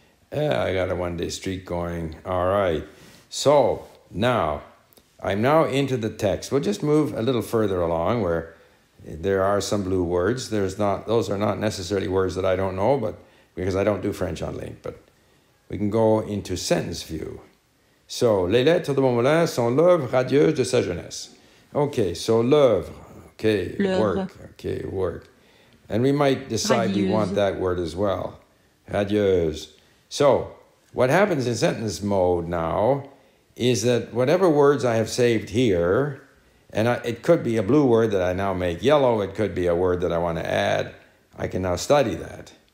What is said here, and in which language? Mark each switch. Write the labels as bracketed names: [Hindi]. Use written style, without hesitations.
[English] I got a one-day streak going. All right. So now, I'm now into the text. We'll just move a little further along where There are some blue words. Those are not necessarily words that I don't know, but because I don't do French on link, but we can go into sentence view. [French] So, les lettres de Montmelin sont l'œuvre radieuse de sa jeunesse. [English] Okay, so l'œuvre, okay, l'oeuvre. Work, okay, work. And we might decide radieuse. We want that word as well, radieuse. So, what happens in sentence mode now is that whatever words I have saved here, and it could be a blue word that I now make yellow, it could be a word that I want to add, I can now study that.